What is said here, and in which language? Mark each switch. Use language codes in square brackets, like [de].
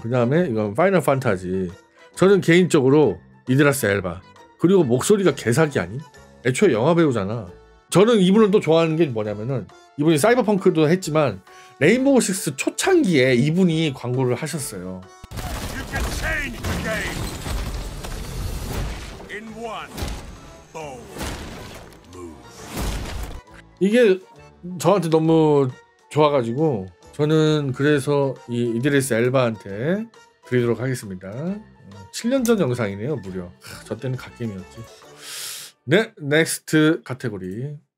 [ko] 그 다음에 이건 파이널 판타지. 저는 개인적으로 이드라스 엘바. 그리고 목소리가 개사기 아니? 애초에 영화 배우잖아. 저는 이분을 또 좋아하는 게 뭐냐면은 이분이 사이버펑크도 했지만 레인보우 식스 초창기에 이분이 광고를 하셨어요. [en] You can change the game in one. [ko] 이게 저한테 너무 좋아가지고 저는 그래서 이 이드리스 엘바한테 드리도록 하겠습니다. 7년 전 영상이네요. 무려. 저 때는 갓겜이었지. 네. 넥스트 카테고리.